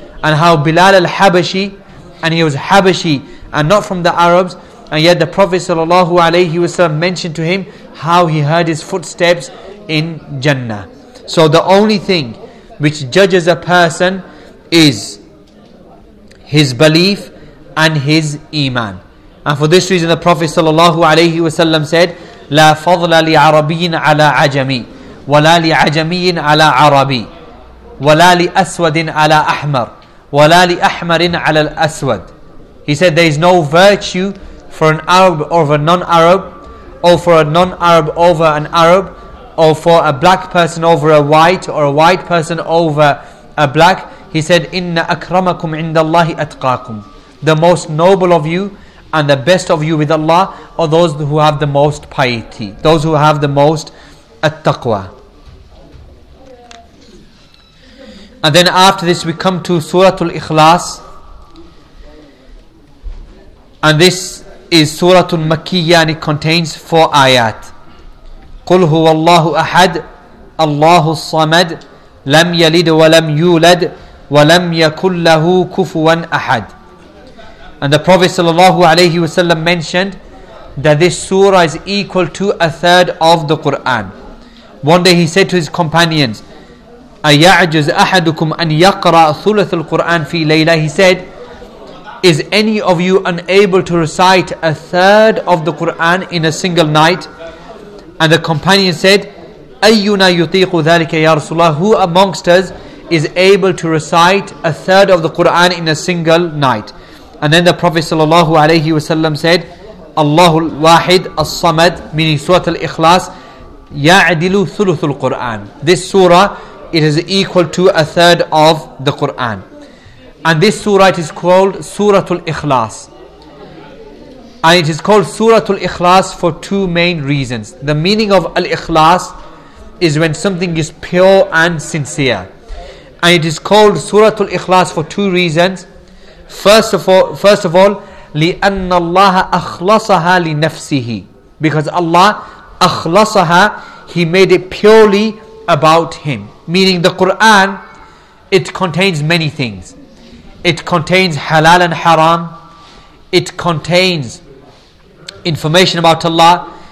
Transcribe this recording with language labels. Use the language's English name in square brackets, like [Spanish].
[English] And how Bilal al-Habashi, and he was Habashi and not from the Arabs, and yet the Prophet sallallahu alayhi wasallam mentioned to him how he heard his footsteps in Jannah. So the only thing which judges a person is his belief and his iman. And for this reason the Prophet sallallahu alayhi wasallam said, [Arabic] لا فضل لعربين على عجمي ولا لعجمي على عربي ولا لأسود على أحمر ولا لأحمر على الأسود. [English] He said there is no virtue for an Arab over a non-Arab, or for a non-Arab over an Arab, or for a black person over a white, or a white person over a black. He said, [Arabic] إِنَّ أَكْرَمَكُمْ عِنْدَ اللَّهِ أَتْقَاكُمْ. [English] The most noble of you and the best of you with Allah are those who have the most piety, those who have the most at-taqwa. And then after this we come to Surah Al-Ikhlas. And this is Surah Al-Makkiyah, and it contains four ayat. [Arabic] قُلْ هُوَ اللَّهُ أَحَدُ اللَّهُ الصَّمَدُ لَمْ يَلِدْ وَلَمْ يُولَدْ وَلَمْ يَكُنْ لَهُ كُفُوًا أَحَدٌ. [English] And the Prophet sallallahu alayhi wasallam mentioned that this surah is equal to a third of the Quran. One day he said to his companions, [Arabic] أَيَعْجُزْ أَحَدُكُمْ أَنْ يَقْرَأَ ثُلَثُ الْقُرْآنِ فِي لَيْلَةٍ. [English] He said, is any of you unable to recite a third of the Quran in a single night? And the companion said, [Arabic] أَيُّنَا يُطِيقُ ذَلِكَ يَا رَسُولَ اللَّهِ. [English] Who amongst us is able to recite a third of the Quran in a single night? And then the Prophet sallallahu alayhi wasallam said, [Arabic] اللَّهُ الْوَاحِدُ الصَّمَدُ, [English] meaning Surah Al-Ikhlas, [Arabic] يَعْدِلُ ثُلُثُ الْقُرْآنِ. [English] This surah, it is equal to a third of the Quran. And this surah, it is called Surah Al-Ikhlas. And it is called Surah Al-Ikhlas for two main reasons. The meaning of Al-Ikhlas is when something is pure and sincere. And it is called Surah Al-Ikhlas for two reasons. First of all, [Arabic] لِأَنَّ اللَّهَ أَخْلَصَهَا لِنَفْسِهِ. [English] Because Allah, [Arabic] أَخْلَصَهَا, [English] He made it purely about Him. Meaning the Quran, it contains many things. It contains halal and haram. It contains information about Allah.